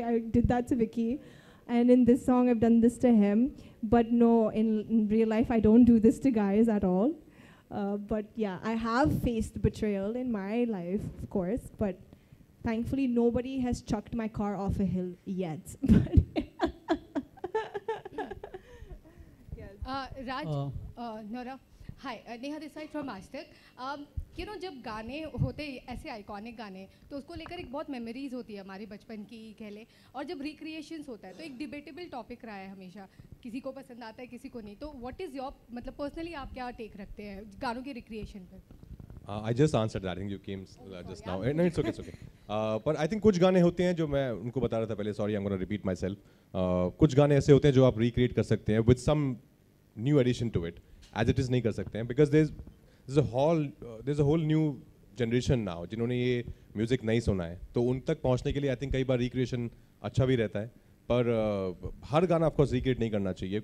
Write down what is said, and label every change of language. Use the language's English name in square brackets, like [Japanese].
[English] I did that to Vicky and in this song I have done this to him. But no, in real life I don't do this to guys at all. But yeah I have faced betrayal in my life of course, but thankfully nobody has chucked my car off a hill yet. But Raj, Nora, hi, Neha this side from Aztec. [Hindi] You know, जब गाने होते ऐसे iconic गाने, तो उसको लेकर एक बहुत memories होती है हमारे बचपन की कह ले, और जब recreations होता है तो एक debatable topic रहा है हमेशा, किसी को पसंद आता है किसी को नहीं. तो [English] what is your, [Hindi] मतलब personally आप क्या take रखते हैं गानों के recreation पर? [English] I just answered that, I think you came just now. No, it's okay, it's okay. But I think [Hindi] कुछ गाने होते हैं जो मैं उनको बता रहा था पहले, [English] sorry, I'm going to repeat myself. [Hindi] कुछ गाने ऐसे होते हैं जो आप recreate कर सकते हैं [English] with some new addition to it. [Hindi] As it is नहीं कर सकते हैं [English] because there is a whole new generation now [Hindi] जिन्होंने ये म्यूज़िक नहीं सुना है, तो उन तक पहुँचने के लिए [English] I think [Hindi] कई बार रिक्रिएशन अच्छा भी रहता है, पर हर गाना आपको रिक्रिएट नहीं करना चाहिए.